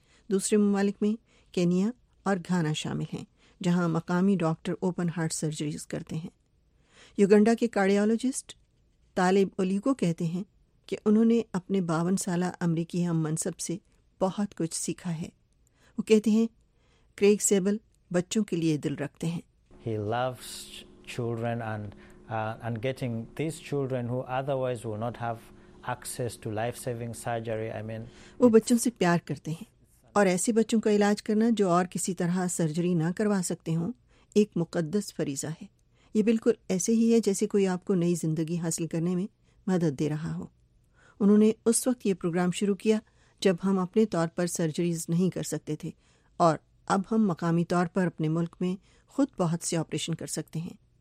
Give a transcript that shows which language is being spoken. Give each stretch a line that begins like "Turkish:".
Urdu: دوسرے ممالک میں کینیا اور گھانا شامل ہیں جہاں مقامی ڈاکٹر اوپن ہارٹ سرجریز کرتے ہیں. یوگنڈا کے کارڈیالوجسٹ طالب اولیگو کہتے ہیں کہ انہوں نے اپنے 52 سالہ امریکی ہم منصب سے بہت کچھ سیکھا ہے. وہ کہتے ہیں کریگ سیبل بچوں کے لیے دل رکھتے ہیں.
English: He loves children and getting these children who otherwise will not have access to life-saving surgery.
Urdu: وہ بچوں سے پیار کرتے ہیں, اور ایسے بچوں کا علاج کرنا جو اور کسی طرح سرجری نہ کروا سکتے ہوں ایک مقدس فریضہ ہے. یہ بالکل ایسے ہی ہے جیسے کوئی آپ کو نئی زندگی حاصل کرنے میں مدد دے رہا ہو. انہوں نے اس وقت یہ پروگرام شروع کیا جب ہم اپنے طور پر سرجریز نہیں کر سکتے تھے, اور اب ہم مقامی طور پر اپنے ملک میں خود بہت سے آپریشن کر سکتے ہیں.